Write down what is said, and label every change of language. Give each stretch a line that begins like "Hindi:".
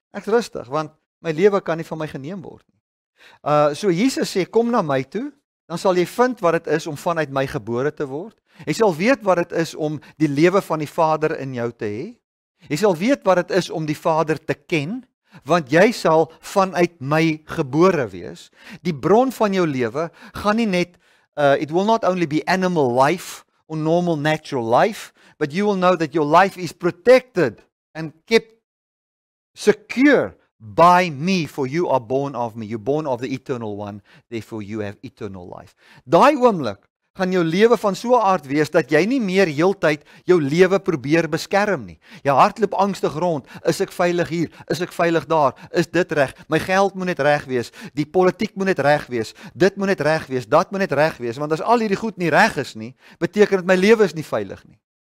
Afrikaans: Ek is rustig, want my lewe kan nie van my geneem word nie. So Jesus sê, kom na my toe, dan sal jy vind wat het is om vanuit my gebore te word. Jy sal weet wat het is om die lewe van die Vader in jou te hê. Jy sal weet wat het is om die Vader te ken, want jy sal vanuit my gebore wees. Die bron van jou lewe gaan nie net,
English: it will not only be animal life or normal natural life, but you will know that your life is protected and kept secure by me, for you are born of me, you're born of the eternal one, therefore you have eternal life.
Afrikaans: Daai oomblik gaan jou lewe van so 'n aard wees dat jy nie meer heeltyd jou lewe probeer beskerm nie. Jou hart loop angstig rond, is ek veilig hier, is ek veilig daar, is dit reg, my geld moet net reg wees, die politiek moet net reg wees, dit moet net reg wees, dat moet net reg wees, want as al hierdie goed nie reg is nie, beteken dat my lewe is nie veilig nie.